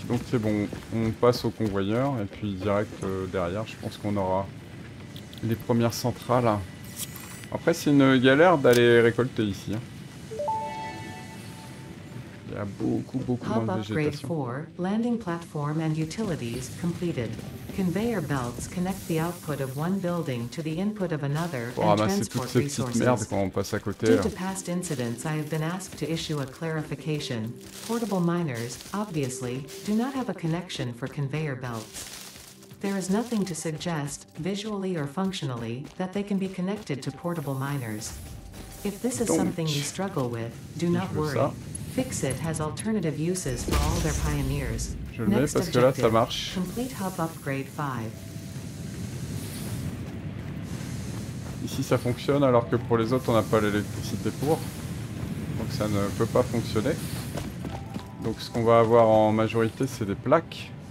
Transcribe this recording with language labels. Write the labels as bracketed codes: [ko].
[fr] Donc c'est bon, on passe au convoyeur et puis direct derrière, je pense qu'on aura les premières centrales. Après, c'est une galère d'aller récolter ici. Il y a beaucoup, beaucoup moins de végétation. [en] Hub upgrade 4, landing platform and utilities completed. Conveyor belts connect the output of one building to the input of another and transport resources. [fr] Quand on passe à côté, [en] due to past incidents, I have been asked to issue a clarification. Portable miners, obviously, do not have a connection for conveyor belts. There is nothing to suggest, visually or functionally, that they can be connected to portable miners. If this is something you struggle with, do not worry. Fixit has alternative uses for all their pioneers. [fr] Je le mets parce que là ça marche. [en] Complete hub upgrade 5. [fr] Ici ça fonctionne alors que pour les autres on n'a pas l'électricité pour. Donc ça ne peut pas fonctionner. Donc ce qu'on va avoir en majorité c'est des plaques.